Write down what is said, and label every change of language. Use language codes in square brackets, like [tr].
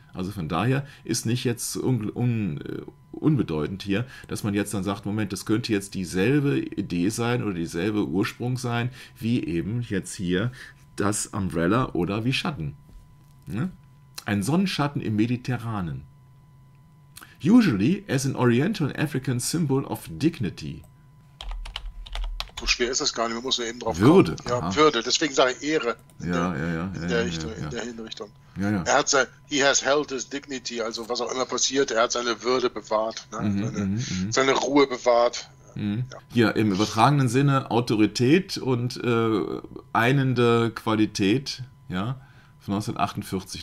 [de] Also von daher ist nicht jetzt unbedeutend hier, dass man jetzt dann sagt, Moment, das könnte jetzt dieselbe Idee sein oder dieselbe Ursprung sein, wie eben jetzt hier das Umbrella oder wie Schatten. Ne? Ein Sonnenschatten im Mediterranen. [en] Usually as an Oriental African symbol of dignity. [de] So schwer ist das gar nicht, man muss ja eben drauf Würde. Kommen. Ja, aha. Würde, deswegen sage ich Ehre. In der Hinrichtung. Ja, ja. Er hat sein, [en] he has held his dignity, [de] also was auch immer passiert, er hat seine Würde bewahrt, ne? Seine Ruhe bewahrt. Hier im übertragenen Sinne Autorität und einende Qualität, ja, von 1948.